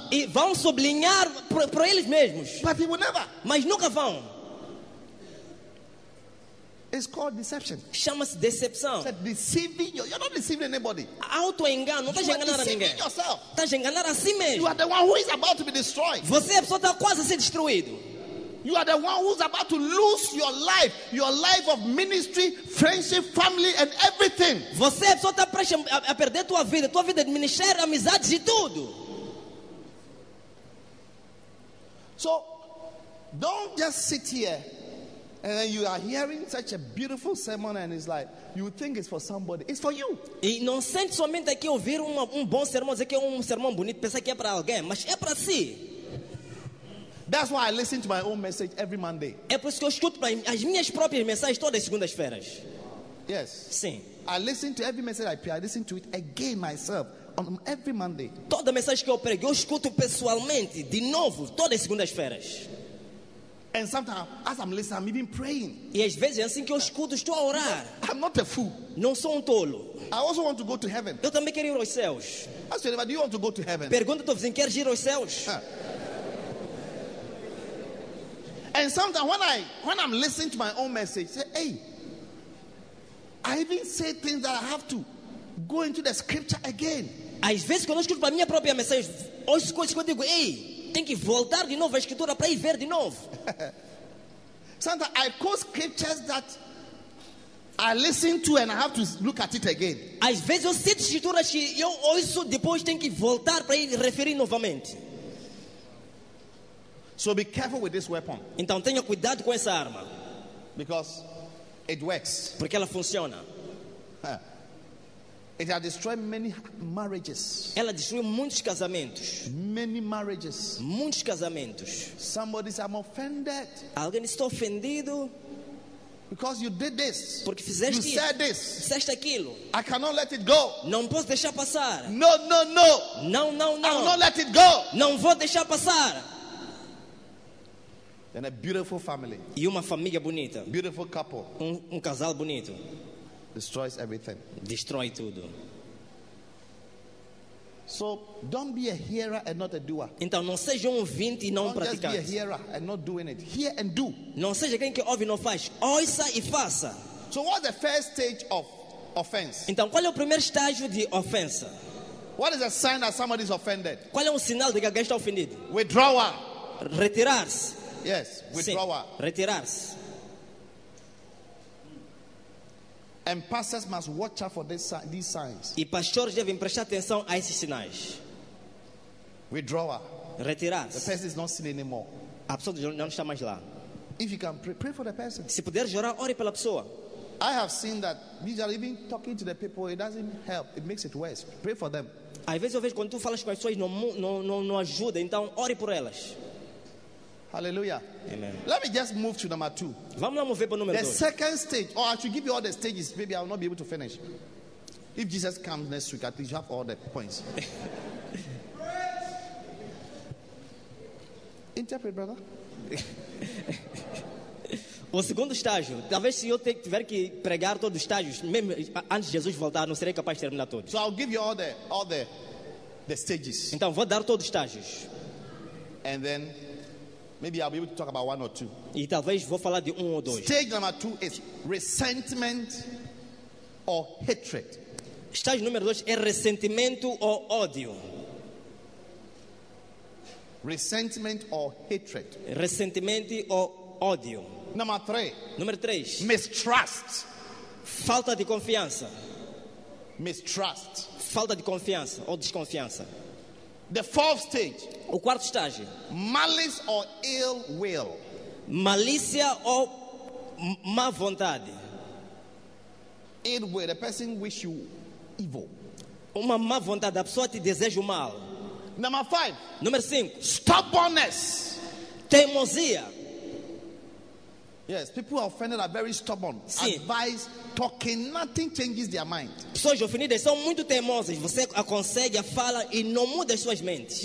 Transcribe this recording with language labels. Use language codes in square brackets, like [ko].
[pt] E vão sublinhar para eles mesmos. [en] But he will never. [pt] Mas nunca vão. [en] It's called deception. [pt] Chama-se decepção. [en] It's deceiving you. You're not deceiving anybody. [pt] Auto-engano. Não estás enganando ninguém. [en] You are deceiving yourself. [pt] Estás enganando a si mesmo. [en] You are the one who is about to be destroyed. [pt] Você é a pessoa que está quase a ser destruído. [en] You are the one who's about to lose your life of ministry, friendship, family, and everything. [pt] Você é a pessoa que está prestes a perder tua vida de ministério, amizades e tudo. [en] So, don't just sit here. And then you are hearing such a beautiful sermon, and it's like you think it's for somebody. It's for you. [pt] E não sente somente aqui ouvir um bom sermão, dizer que é sermão bonito, pensar que é para alguém, mas é para si. [en] That's why I listen to my own message every Monday. [pt] É por isso que eu escuto as minhas próprias mensagens todas as segundas-feiras. [en] Yes. [pt] Sim. [en] I listen to every message I preach. I listen to it again myself on every Monday. [pt] Toda mensagem que eu prego, eu escuto pessoalmente de novo todas as segundas-feiras. [en] And sometimes, as I'm listening, I'm even praying. [pt] E às vezes, assim que eu escuto, estou a orar. [en] I'm not a fool. [pt] Não sou tolo. [en] I also want to go to heaven. [pt] Eu também quero ir aos céus. [en] Ask yourself, do you want to go to heaven? [pt] Pergunta ao vizinho, queres ir aos céus? [en] And sometimes, when I'm listening to my own message, say, hey, I even say things that I have to go into the scripture again. [pt] Às vezes, quando eu escuto para minha própria mensagem, ouço coisas que eu digo, hey, tem que voltar de novo à escritura para ir ver de novo. [en] Sometimes I quote scriptures that I listen to and I have to look at it again. [pt] Às vezes eu cito escrituras que eu ouço, depois tenho que voltar para ir referir novamente. [en] So be careful with this weapon. [pt] Então tenha cuidado com essa arma. [en] Because it works. [pt] Porque ela funciona. [en] It has destroyed many marriages. [pt] Ela destruiu muitos casamentos. [en] Many marriages. [pt] Muitos casamentos. [en] Somebody says, I'm offended. [pt] Alguém está ofendido. [en] Because you did this. [pt] Porque fizeste isso. [en] You said this. [pt] Disseste aquilo. [en] I cannot let it go. [pt] Não posso deixar passar. [en] No, no, no. [pt] Não, não, não. [en] I will not let it go. [pt] Não vou deixar passar. [en] And a beautiful family. [pt] E uma família bonita. [en] Beautiful couple. [pt] Um casal bonito. [en] Destroys everything. [pt] Destrói tudo. [en] So don't be a hearer and not a doer. [pt] Então não seja ouvinte e não [en] don't [pt] praticante. [en] Don't just be a hearer and not doing it. Hear and do. [pt] Não seja quem que ouve e não faz. Ouça e faça. [en] So what's the first stage of offense? [pt] Então, qual é o primeiro estágio de ofensa? [en] What is a sign that somebody is offended? [pt] Qual é um sinal de que alguém está ofendido? [en] Withdrawal. [pt] Retirar-se. [en] Yes, withdrawal. [pt] Sim, retirar-se. [en] And pastors must watch out for these signs. [pt] E pastores devem prestar atenção a esses sinais. [en] Withdrawal. [pt] Retirar-se. [en] The person is not seen anymore. [pt] A pessoa não está mais lá. [en] If you can pray for the person. [pt] Se puder orar, ore pela pessoa. [en] I have seen that usually even talking to the people, it doesn't help. It makes it worse. Pray for them. [pt] Às vezes eu vejo quando tu falas com as pessoas não ajuda. Então ore por elas. Hallelujah. Amen. [en] Let me just move to number two. [pt] Vamos lá mover para o número [en] the [pt] dois. [en] Second stage, or I should give you all the stages. Maybe I will not be able to finish. If Jesus comes next week, at least you have all the points. Interpret, brother. [pt] O segundo estágio, talvez se eu tiver que pregar todos os estágios, mesmo antes de Jesus voltar, não serei capaz de terminar todos. [en] So I'll give you all the stages. [pt] Então vou dar todos os estágios. [en] And then maybe I'll be able to talk about one or two. [pt] E talvez vou falar de um ou dois. [en] Stage number two is resentment or hatred. [pt] Estágio número dois é ressentimento ou ódio. [en] Resentment or hatred. [pt] Ressentimento ou ódio. Número três. [en] Mistrust. [pt] Falta de confiança. [en] Mistrust. [pt] Falta de confiança ou desconfiança. [en] The fourth stage. [pt] O quarto estágio. [en] Malice or ill will. [pt] Malícia ou má vontade. [en] Ill will. The person wish you evil. [pt] Uma má vontade. A pessoa te deseja o mal. [en] Number five. [pt] Número cinco. [en] Stubbornness. [pt] Teimosia. [en] Yes, people who are offended are very stubborn. [pt] Sim. Advice, talking, nothing changes their mind. Pessoas ofendidas são muito teimosas. Você aconselha, a fala e não muda as suas mentes.